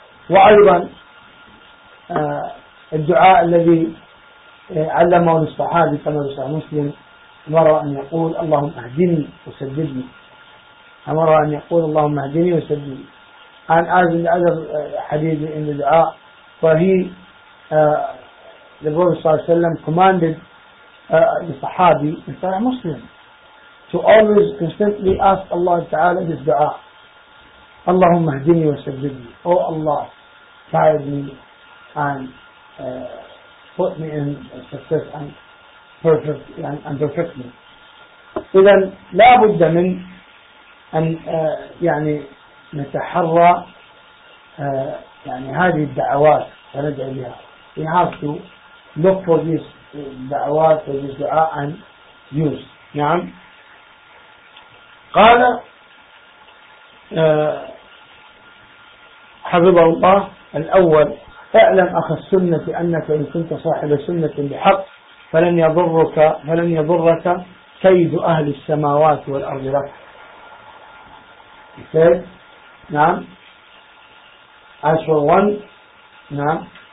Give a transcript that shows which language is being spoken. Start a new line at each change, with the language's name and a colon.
Arabic: وأيضاً الدعاء الذي علمه الصحابي كما رواه مسلم مرة أن يقول اللهم اهدني وسددني. مرة أن يقول اللهم اهدني وسددني.
English: And as in the other hadith in the dua, for he, the Prophet ﷺ commanded the Sahabi, in Sahih Muslim, to always constantly ask Allah Ta'ala this dua.
Arabic: Allahumma hdini wa sadidni.
English: Oh Allah, guide me and put me in success and perfect and perfect me.
Arabic: إذن لا بد من أن يعني نتحرى يعني هذه الدعوات فندعو بها.
English: We have to look for these دعوات for this دعاء and use.
Arabic: نعم. قال حبيب الله الأول اعلم أخ السنة أنك إن كنت صاحب سنة بحق فلن يضرك كيد أهل السماوات والأرض لك. يقول نعم.
English: As for one, نعم.